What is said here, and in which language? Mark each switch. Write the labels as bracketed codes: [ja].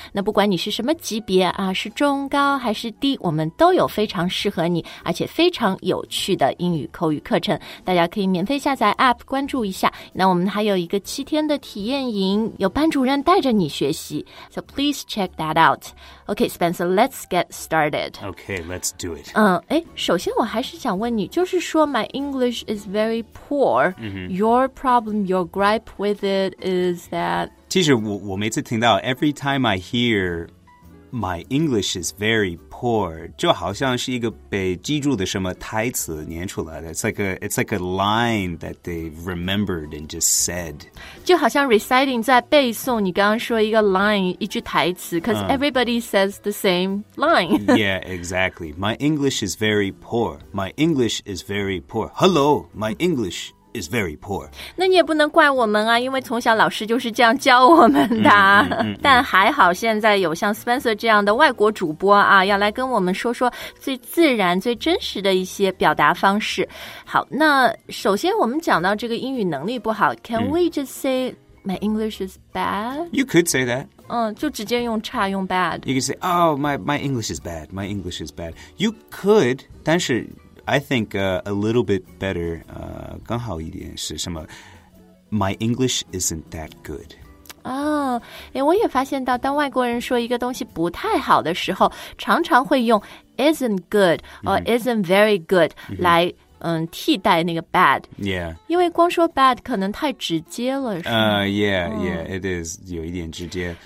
[zh] 那不管你是什么级别啊，是中高还是低，我们都有非常适合你而且非常有趣的英语口语课程，大家可以免费下载 app 关注一下。那我们还有一个七天的体验营，有班主任带着你学习， [en] so please check that out. Okay, Spencer, let's get started. Okay, let's do it. [zh] 首先我还是想问你，就是说 [en] my English is very poor. Your problem, your gripe with it is that... [zh] 其实我每次听到 [en] every time I hear my English is very poor, [zh] 就好像是一个被记住的什么台词念出来的。 [en] It's like a line that they remembered and just said. [zh] 就好像 reciting 在背诵你刚刚说一个 line, 一句台词 [en] because everybody says the same line. Yeah, exactly. My English is very poor. My English is very poor. Hello, my English is very poor. [zh] 那你也不能怪我们啊，因为从小老师就是这样教我们的。但还好现在有像 Spencer 这样的外国主播啊，要来跟我们说说最自然最真实的一些表达方式。好，那首先我们讲到这个英语能力不好， [en] Can we just say my English is bad? You could say that. [zh] 就直接用差用 bad. [en] You could say, oh, my English is bad. My English is bad. You could, [zh] 但是 [en] I think a little bit better, [zh] 刚好一点是什么 [en] My English isn't that good. [zh] 我也发现到当外国人说一个东西不太好的时候，常常会用 [en] isn't good or isn't very good [zh] 来替代那个 bad. [en] Yeah. [zh] 因为光说 bad 可能太直接了，是吗？ [en] It is [zh] 有一点直接。